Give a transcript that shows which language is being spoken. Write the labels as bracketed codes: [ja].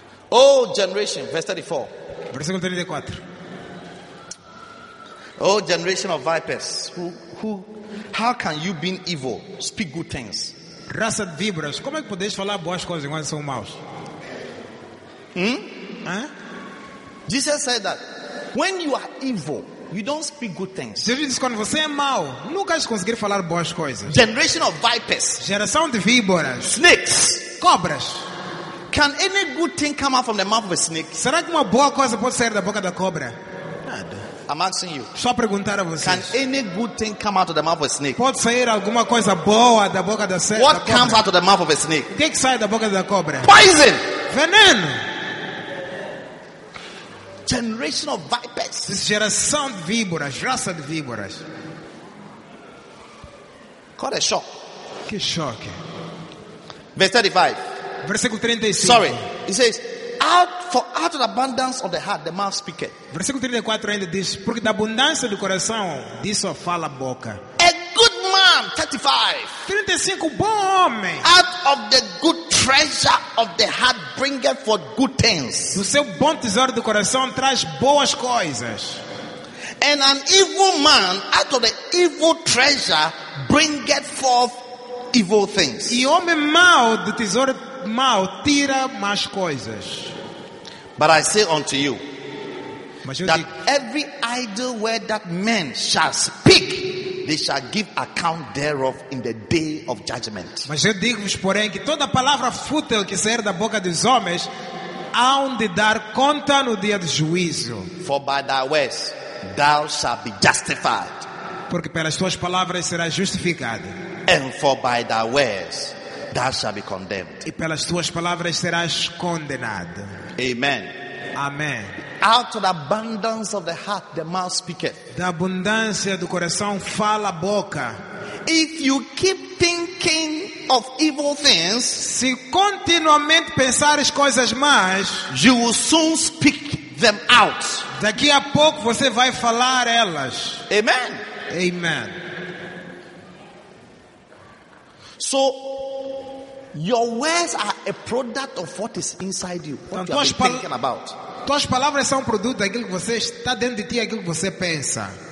[en] Oh, generation. Verse 34. [pt] Versículo 34. [en] Oh, generation of vipers, who, how can you, being evil, speak good things? [pt] Raça de víboras, como é que podes falar boas coisas enquanto são maus? [en] Jesus said that when you are evil, you don't speak good things. [pt] Jesus disse, quando você é mau, nunca vais conseguir falar boas coisas. [en] Generation of vipers, [pt] geração de víboras, [en] snakes, [pt] cobras. [en] Can any good thing come out from the mouth of a snake? [pt] Será que uma boa coisa pode sair da boca da cobra? Nada. [en] I'm asking you. [pt] Só perguntar a vocês. [en] Can any good thing come out of the mouth of a snake? [pt] Pode sair alguma coisa boa da boca da cobra? [en] What comes out of the mouth of a snake? [pt] O que sai da boca da cobra? [en] Poison. [pt] Veneno. [en] Generation of vipers. [pt] This geração de víboras, raça de víboras. Qual é o choque? Que choque. [en] Verse 35. [pt] Versículo 35. [en] Sorry. It says, out for out of the abundance of the heart the mouth speaketh. [pt] Versículo 34 ainda diz, porque da abundância do coração disso fala a boca. [en] A good man, 35. [pt] 35, bom homem. [en] Out of the good treasure of the heart bringeth for good things. [pt] Do seu bom tesouro do coração traz boas coisas. [en] And an evil man out of the evil treasure bringeth forth evil things. [pt] E homem mau do tesouro mau tira más coisas. [en] But I say unto you, [pt] mas [en] that [pt] digo, [en] every idle word that men shall speak, they shall give account thereof in the day of judgment. [pt] Mas eu digo-vos, porém, que toda palavra fútil que sair da boca dos homens, há de dar conta no dia do juízo. [en] For by thy words thou shalt be justified. [pt] Porque pelas tuas palavras serás justificado. [en] And for by thy words thou shalt be condemned. [pt] E pelas tuas palavras serás condenado. [en] Amen. [pt] Amen. [en] Out of the abundance of the heart the mouth speaketh. [pt] Da abundância do coração fala a boca. [en] If you keep thinking of evil things, [pt] se continuamente pensares coisas más, [en] you will soon speak them out. [pt] Daqui a pouco você vai falar elas. [en] Amen. [pt] Amen. [en] So your words are a product of what is inside you. What [pt] então, [en] you are thinking about. [pt] Tuas palavras são produto daquilo que você está dentro de ti, aquilo que você pensa.